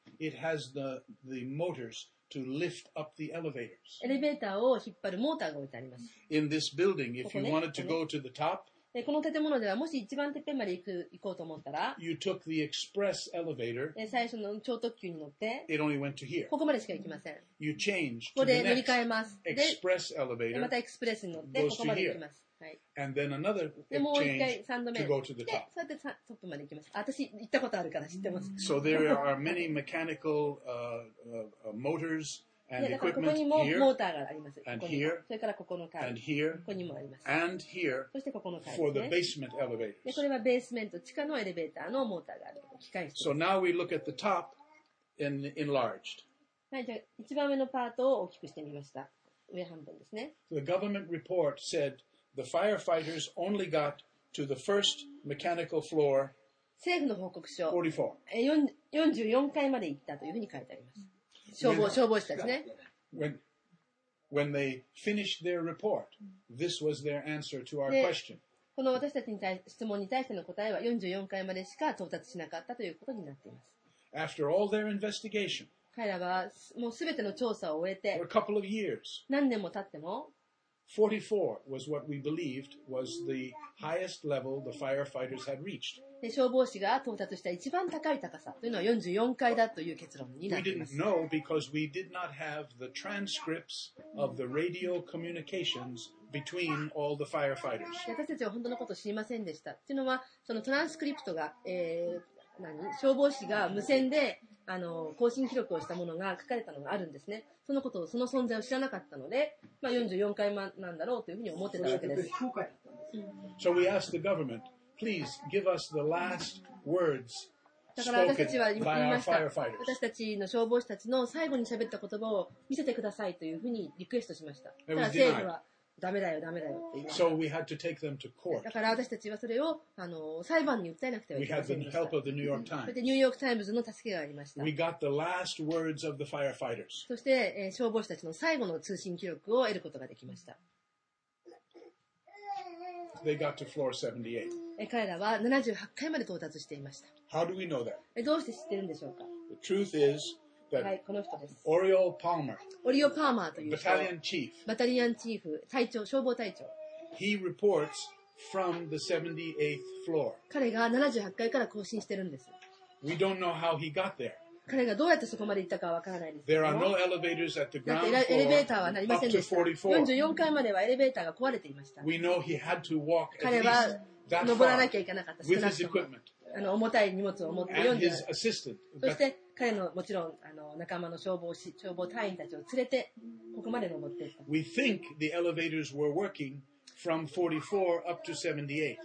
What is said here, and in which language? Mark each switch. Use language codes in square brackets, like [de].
[en] It has the motors to lift up the elevators. [ja] エレベーターを引っ張るモーターが置いてあります。 [en] In this building, if you wanted to go to the top, [ja] この建物ではもし一番てっぺんまで行こうと思ったら、 [en] you took the express elevator, [ja] 最初の超特急に乗って、 [en] it only went to here. [ja] ここまでしか行きません。 [en] You change [ja] ここで乗り換えます。 [en] Express elevator, [ja] またエクスプレスに乗って、ここまで行きます。はい、 [en] And then another [ja] でもう一回3度目 [en] to go to the top. [ja] そうやってトップまで行きます。私行ったことあるから知ってます。 [en] So there are many mechanical, motors. [ja] だからここにもモーターがあります。 [en] And here, [ja] それからここの階。 [en] And here, [ja] ここにもあります。 [en] And here, [ja] そしてここの階ですね。 [en] For the basement elevators. [ja] でこれはベースメント、地下のエレベーターのモーターがある。機械室。 [en] So now we look at the top in enlarged. [ja] はい、じゃあ一番上のパートを大きくしてみました。上半分ですね。 [en] The government report said the firefighters only got to the first mechanical floor. [ja] 政府の報告書。 44 階まで行ったというふうに書いてあります。消防士たちね。 [en] When they finished their report, this was their answer to our question. [ja] この私たちに対質問に対しての答えは44階までしか到達しなかったということになっています。 [en] After all their investigation, [ja] 彼らはもうすべての調査を終えて、 [en] for a couple of years, [ja] 何年も経っても、 [en] 44 was what we believed was the highest level the firefighters had reached. [ja] で消防士が到達した一番高い高さというのは44階だという結論になります。 [en] We didn't know because we did not have the transcripts of the radio communications between all the firefighters. [ja] 私たちは本当のことを知りませんでした。というのは、そのトランスクリプトが、消防士が無線で更新記録をしたものが書かれたのがあるんですね。そのことを、その存在を知らなかったので、まあ、44階なんだろうというふうに思ってたわけです。 [en] So we asked the government,Please give us the last words spoken by our firefighters. [ja] 私たちの消防士たちの最後に喋った言葉を見せてくださいというふうにリクエストしました。 [en] It was denied. [ja] ダメだよダメだよって言いました。 [en] So we had to take them to court. [ja] だから私たちはそれを裁判に訴えなくてはいけませんでした。 [en] We had the help of the New York Times. [ja] それでニューヨークタイムズの助けがありました。 [en] We got the last words of the firefighters. [ja] そして、消防士たちの最後の通信記録を得ることができました。 [en] They got to floor 78. [ja] 彼らは78階まで到達していました。 [en] How do we know that? [ja] どうして知ってるんでしょうか。 [en] The truth is, [ja] はい、この人です。 Oriol Palmer。オリオ・パーマーという人。 [en] Battalion Chief。 [ja] バタリアンチーフ、隊長、消防隊長。 [en] He reports from the 78th floor。 [ja] 彼が78階から更新してるんです。 [en] We don't know how he got there。 [ja] 彼がどうやってそこまで行ったかはわからないです。 [en] There are no elevators at the ground floor。 [ja] エレベーターはなりませんでした。44階まではエレベーターが壊れていました。 [en] We know he had to walk at least that far。 [ja] 彼は登らなきゃいけなかった。 [en] With his equipment。 [ja] 重たい荷物を持って [en] And his assistant。 [ja] そして彼のもちろん仲間の消防隊員たちを連れてここまで登っていった。 [en] We think the elevators were working from 44 up to 78.